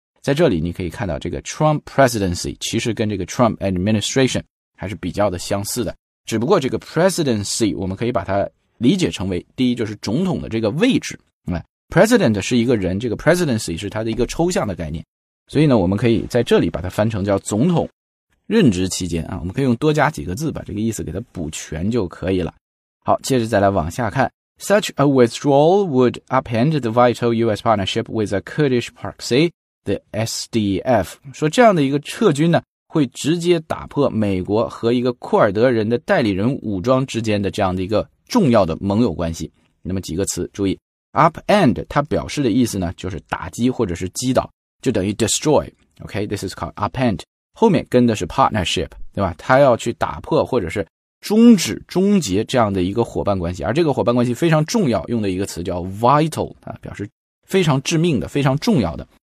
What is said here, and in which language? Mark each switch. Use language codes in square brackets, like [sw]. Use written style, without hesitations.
[zh] 在这里你可以看到这个 Trump presidency 其实跟这个 Trump administration 还是比较的相似的，只不过这个 presidency 我们可以把它理解成为第一就是总统的这个位置，啊，president 是一个人，这个 presidency 是它的一个抽象的概念，所以呢我们可以在这里把它翻成叫总统任职期间啊，我们可以用多加几个字把这个意思给它补全就可以了。好，接着再来往下看。 [en] Such a withdrawal would upend the vital US partnership with a Kurdish proxy, the SDF. [zh] 说这样的一个撤军呢会直接打破美国和一个库尔德人的代理人武装之间的这样的一个重要的盟友关系。那么几个词注意。 Upend 它表示的意思呢就是打击或者是击倒。就等于 destroy, [en] OK, this is called upend, [zh] 后面跟的是 partnership, 对吧，他要去打破或者是终止终结这样的一个伙伴关系，而这个伙伴关系非常重要，用的一个词叫 vital, 啊，表示非常致命的非常重要的。